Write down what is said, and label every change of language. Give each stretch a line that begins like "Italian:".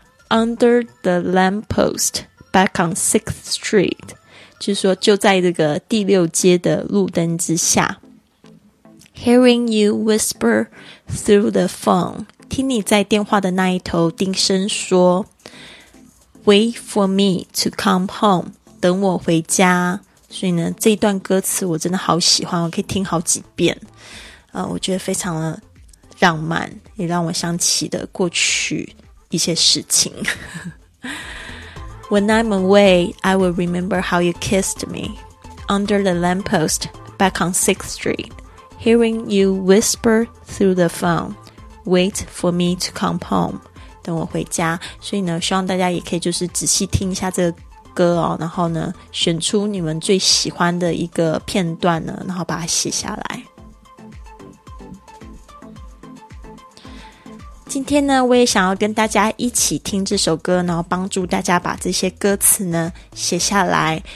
English: Under the lamppost back on 6th street，
Chinese: 就是说就在这个第六街的路灯之下。
English: Hearing you whisper through the phone，
Chinese: 听你在电话的那一头叮声说。
English: Wait for me to come home，
Chinese: 等我回家。所以呢这一段歌词我真的好喜欢，我可以听好几遍，我觉得非常的浪漫，也让我想起的过去一些事情。
English: When I'm away I will remember how you kissed me under the lamppost back on 6th street hearing you whisper through the phone wait for me to come home，
Chinese: 等我回家。所以呢希望大家也可以就是仔细听一下这个歌哦，然后呢选出你们最喜欢的一个片段呢，然后把它写下来。今天呢我也想要跟大家一起听这首歌，然后帮助大家把这些歌词呢写下来。